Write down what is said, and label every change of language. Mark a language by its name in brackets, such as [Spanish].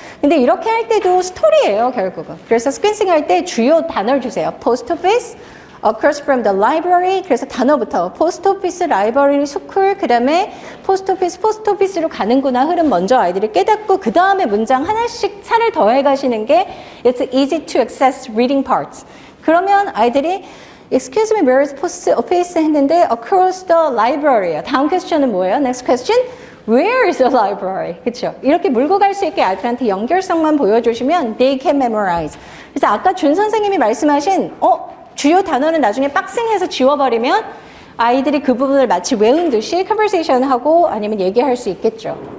[Korean] 근데 이렇게 할 때도 스토리예요, 결국은. 그래서 스퀸싱 할 때 주요 단어를 주세요. Post office, across from the library, 그래서 단어부터 post office, library, 스쿨, 그 다음에 post office로 가는구나 흐름 먼저 아이들이 깨닫고 그 다음에 문장 하나씩 살을 더해 가시는 게 [English] it's easy to access reading parts. [Korean] 그러면 아이들이 [English] excuse me, where is post office [Korean] 했는데 [English] across the library요. [Korean] 다음 퀘스천은 뭐예요? [English] Next question. Where is the library? [Korean] 그렇죠. 이렇게 물고 갈 수 있게 아이들한테 연결성만 보여주시면 [English] they can memorize. [Korean] 그래서 아까 준 선생님이 말씀하신 주요 단어는 나중에 빡생해서 지워버리면 아이들이 그 부분을 마치 외운 듯이 conversation하고 아니면 얘기할 수 있겠죠.